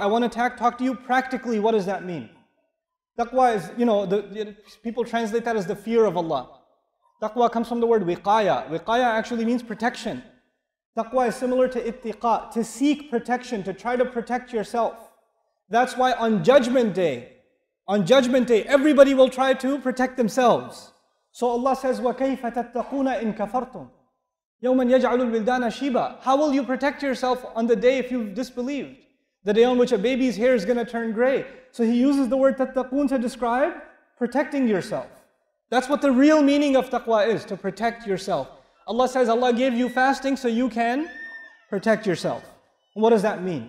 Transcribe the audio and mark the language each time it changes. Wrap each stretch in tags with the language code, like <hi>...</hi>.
<en>I want to talk to you practically. What does that mean? Taqwa is, you know, people translate that as the fear of Allah. Taqwa comes from the word wiqaya. Wiqaya actually means protection. Taqwa is similar to ittiqa, to seek protection, to try to protect yourself. That's why on Judgment Day, everybody will try to protect themselves. So Allah says,</en> <ar>وَكَيْفَ تَتَّقُونَ إِن كَفَرْتُمْ يَوْمًا يَجْعَلُ الْبِلْدَانَ شِيبًا.</ar> <en>How will you protect yourself on the day if you've disbelieved? The day on which a baby's hair is going to turn gray. So he uses the word tattaqun to describe protecting yourself. That's what the real meaning of taqwa is, to protect yourself. Allah says Allah gave you fasting so you can protect yourself. What does that mean?</en>